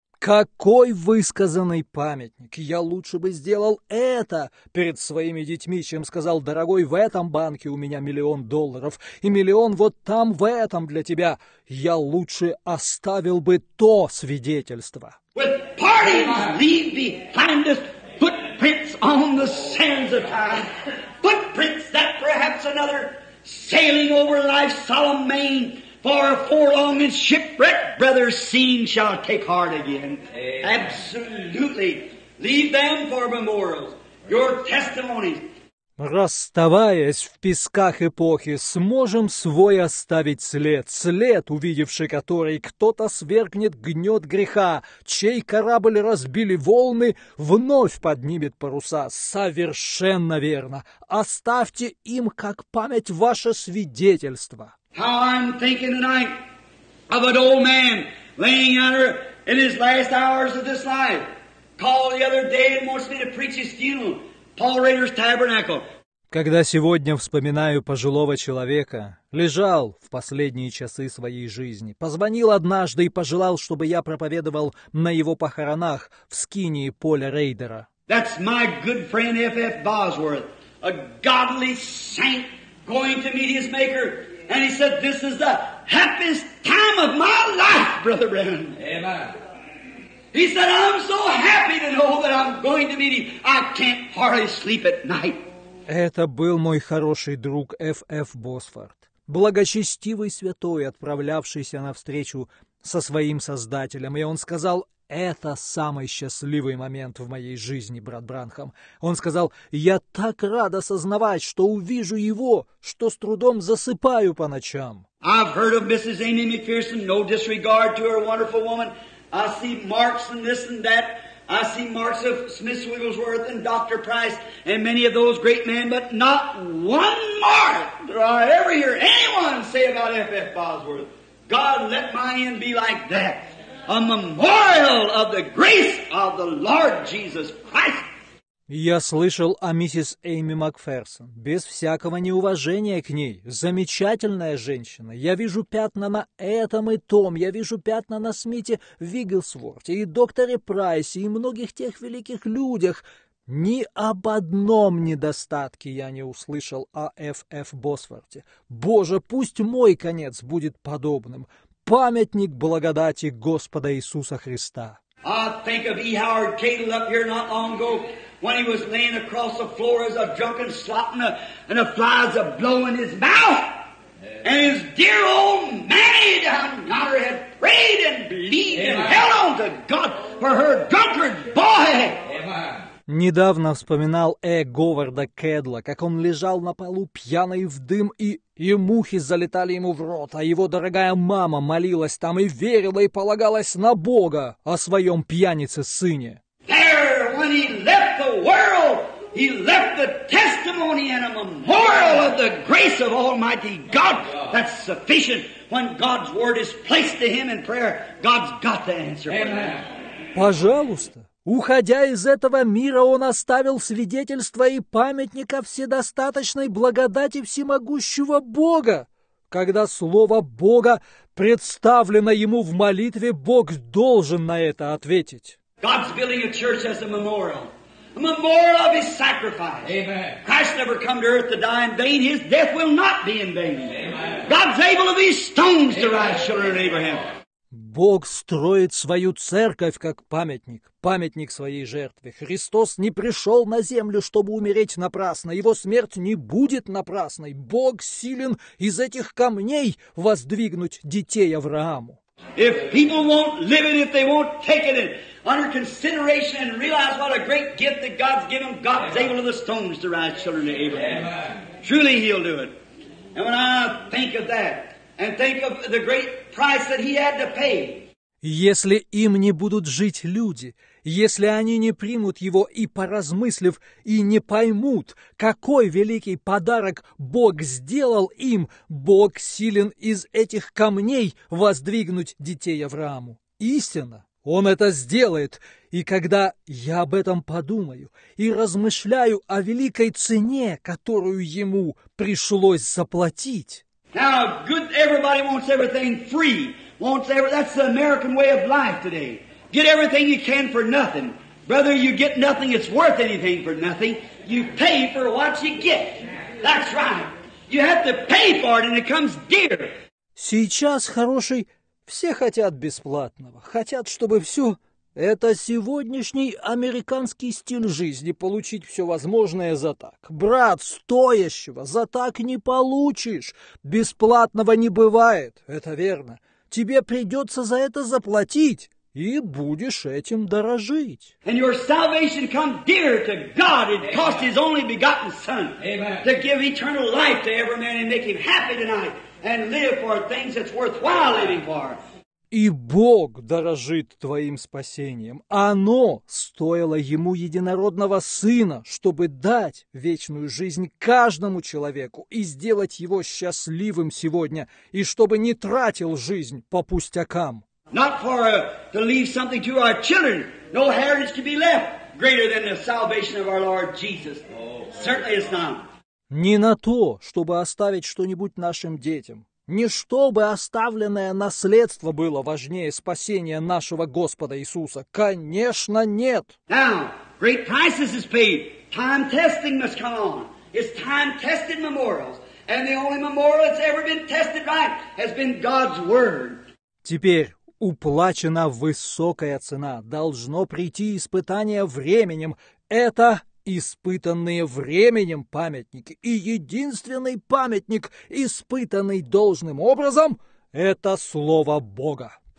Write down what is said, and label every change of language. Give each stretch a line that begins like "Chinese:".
Russian: Какой высказанный памятник! Я лучше бы сделал это перед своими детьми, чем сказал, дорогой, в этом банке у меня $1 миллион и $1 миллион вот там, в этом для тебя. Я лучше оставил бы то свидетельство.
English: With parties, leave behind us. Footprints on the sands of time. Footprints that perhaps another sailing over life's solemn main for a forlorn and shipwrecked brother seen shall take heart again. Amen. Absolutely. Leave them for memorials. Your testimonies.
Russian: Расставаясь в песках эпохи, сможем свой оставить след, след, увидевший который, кто-то свергнет гнет греха, чей корабль разбили волны, вновь поднимет паруса. Совершенно верно. Оставьте им, как память, ваше свидетельство.
English: How I'm thinking tonight of an old man laying under in his last hours of this life, called the other day and wants me to preach his funeral. Paul Rader's Tabernacle.
Russian: Когда сегодня вспоминаю пожилого человека, лежал в последние часы своей жизни, позвонил однажды и пожелал, чтобы я проповедовал на его похоронах в скинии Поля Рейдера.
English: That's my good friend F.F. Bosworth, a godly saint going to meet his maker. And he said, this is the happiest time of my life, Brother Brennan. Amen. He said, I'm so happy to know that I'm going to meet him. I can't hardly sleep at night.
Russian: Это был мой хороший друг Ф.Ф. Босфорд, благочестивый святой, отправлявшийся навстречу со своим Создателем. И он сказал, это самый счастливый момент в моей жизни, брат Бранхам. Он сказал, я так рад осознавать, что увижу его, что с трудом засыпаю по ночам.
English: I've heard of Mrs. Amy McPherson, no disregard to her wonderful woman. I see marks and this and that. I see marks of Smith Wigglesworth and Dr. Price and many of those great men, but not one mark do I ever hear anyone say about F.F. Bosworth. God, let my end be like that, a memorial of the grace of the Lord Jesus Christ.
Russian: Я слышал о миссис Эйми Макферсон, без всякого неуважения к ней. Замечательная женщина. Я вижу пятна на этом и том. Я вижу пятна на Смите Вигглсворте и докторе Прайсе и многих тех великих людях. Ни об одном недостатке я не услышал о Ф.Ф. Босфорте. Боже, пусть мой конец будет подобным. Памятник благодати Господа Иисуса Христа.
English: I think of E. Howard Cadle up here not long ago when he was laying across the floor as a drunken slut and the flies a blowing his mouth. Yeah. And his dear old Mammy down yonder had prayed and believed and held on to God for her drunkard boy.
Russian: Недавно вспоминал Э. Говарда Кэдла, как он лежал на полу пьяный в дым, и мухи залетали ему в рот, а его дорогая мама молилась там и верила, и полагалась на Бога о своем пьянице-сыне.
English: There, when he left the world, he left the testimony and a memorial of the grace of Almighty God. That's sufficient when God's word is placed to him in prayer. God's got the answer. Amen.
Russian: Пожалуйста. Уходя из этого мира, он оставил свидетельство и памятник о вседостаточной благодати всемогущего Бога. Когда слово Бога представлено ему в молитве, Бог должен на это ответить.
English: God's building a church as a memorial. A memorial of his sacrifice. Amen. Christ never come to earth to die in vain. His death will not be in vain. Amen. God's able of these stones to rise, children of Abraham.
Russian: Бог строит свою церковь как памятник, памятник своей жертве. Христос не пришел на землю, чтобы умереть напрасно. Его смерть не будет напрасной. Бог силен из этих камней воздвигнуть детей Аврааму.
English: If people won't live it, if they won't take it under consideration and realize what a great gift that God's given, God's able of the stones to rise children to Abraham. Truly he'll do it. And when I think of that, and think of the great price that he had to pay.
Russian: Если им не будут жить люди, если они не примут его и поразмыслив, и не поймут, какой великий подарок Бог сделал им, Бог силен из этих камней воздвигнуть детей Аврааму. Истинно, он это сделает. И когда я об этом подумаю и размышляю о великой цене, которую ему пришлось заплатить,
English: Now, good. Everybody wants everything free. That's the American way of life today. Get everything you can for nothing, brother. You get nothing. It's worth anything for nothing. You pay for what you get. That's right. You have to pay for it, and it comes dear.
Russian: Сейчас хороший. Все хотят бесплатного. Хотят, чтобы все. Это сегодняшний американский стиль жизни – получить все возможное за так. Брат, стоящего за так не получишь. Бесплатного не бывает, это верно. Тебе придется за это заплатить, и будешь этим дорожить.
English: And your salvation come dear to God. It cost his only begotten son. Amen. To give eternal life to every man and make him happy tonight. And live for things that's worthwhile living for.
Russian: И Бог дорожит твоим спасением. Оно стоило ему единородного сына, чтобы дать вечную жизнь каждому человеку и сделать его счастливым сегодня, и чтобы не тратил жизнь по пустякам.
English: Not for to leave something to our children. No heritage can be left greater than the salvation of our Lord Jesus. Certainly it's not.
Russian: Не на то, чтобы оставить что-нибудь нашим детям. Не чтобы оставленное наследство было важнее спасения нашего Господа Иисуса. Конечно, нет.
English: Now, great prices is paid. Time testing must come on. It's time tested memorials. And the only memorial that's ever been tested right has been God's Word.
Russian: Теперь уплачена высокая цена. Должно прийти испытание временем. Это испытанные временем памятники. И единственный памятник, испытанный должным образом, это Слово Бога.